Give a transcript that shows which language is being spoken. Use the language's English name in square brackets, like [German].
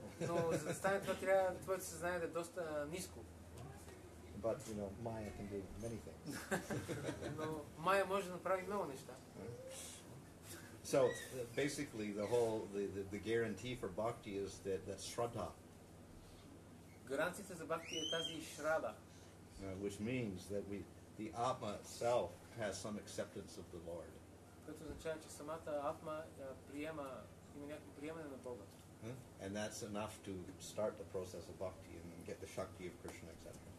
[Bulgarian] No, за да стане това трябва, твоето съзнание да е доста ниско. [English] But, you know, Maya can do many things. [Bulgarian] Но Maya може да направи много неща. [English] So, basically, the whole, the guarantee for bhakti is that shraddha. [Bulgarian] Гаранцията за бхакти е тази шрада. [English] Which means that the atma itself has some acceptance of the Lord. [Bulgarian] Което означава, че самата атма приема, има някакво приемане на Бога. [English] And that's enough to start the process of bhakti and get the shakti of Krishna, etc.